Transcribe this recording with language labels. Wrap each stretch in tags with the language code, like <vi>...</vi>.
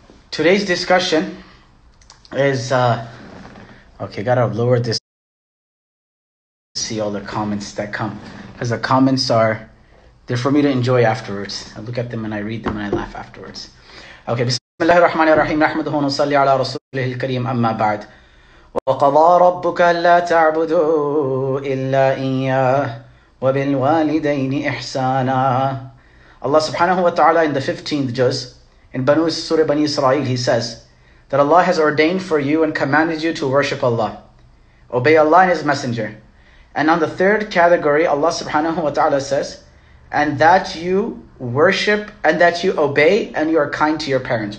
<en>Today's discussion is okay, gotta lower this. See all the comments that come, because the comments are they're for me to enjoy afterwards. I look at them and I read them and I laugh afterwards. Okay.</en> <ar>بسم الله الرحمن الرحيم نحمده ونصلي على رسوله الكريم أما بعد وقضى ربك لا تعبدوا إلا إياه وبالوالدين إحسانا.</ar> <en>Allah subhanahu wa ta'ala in the 15th juz in Surah Bani-Isra'el, he says that Allah has ordained for you and commanded you to worship Allah, obey Allah and His Messenger. And on the third category, Allah subhanahu wa ta'ala says, and that you worship and that you obey and you are kind to your parents.</en>